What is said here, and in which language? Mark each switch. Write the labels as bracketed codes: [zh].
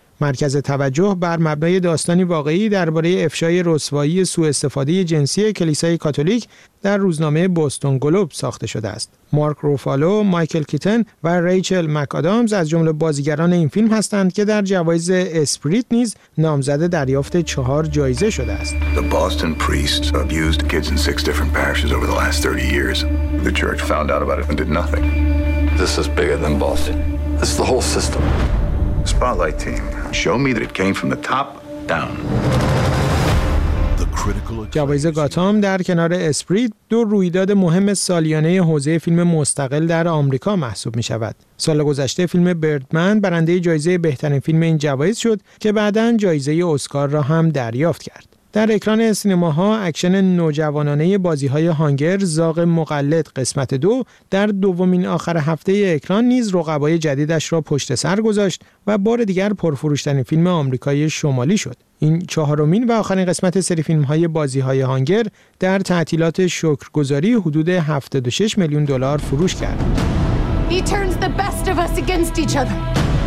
[fa] مرکز توجه بر مبنای داستانی واقعی درباره افشای رسوایی سوء استفاده جنسی کلیسای کاتولیک در روزنامه بوستون گلوب ساخته شده است. مارک روفالو، مایکل کیتن و ریچل مک‌آدامز از جمله بازیگران این فیلم هستند که در جوایز اسپریت نیز نامزد دریافت 4 جایزه شده است. [en] The Boston priest abused kids in 6 different parishes over the last 30 years. The church found out about it and did nothing. This is bigger than Boston. This is the whole system. Spotlight team, show me that it came from the top down. [fa] جوایز گاتام در کنار اسپریت دو رویداد مهم سالیانه حوزه فیلم مستقل در آمریکا محسوب می شود. سال گذشته فیلم بردمن برنده جایزه بهترین فیلم این جوایز شد که بعداً جایزه اسکار را هم دریافت کرد. در اکران سینماها اکشن نوجوانانه بازی‌های هانگر زاغ مقلد قسمت 2 در دومین آخر هفته اکران نیز رقبای جدیدش را پشت سر گذاشت و بار دیگر پرفروش‌ترین فیلم آمریکای شمالی شد. این چهارمین و آخرین قسمت سری فیلم‌های بازی‌های هانگر در تعطیلات شکرگزاری حدود 76 میلیون دلار فروش کرد. [en] He turns the best of us against each other.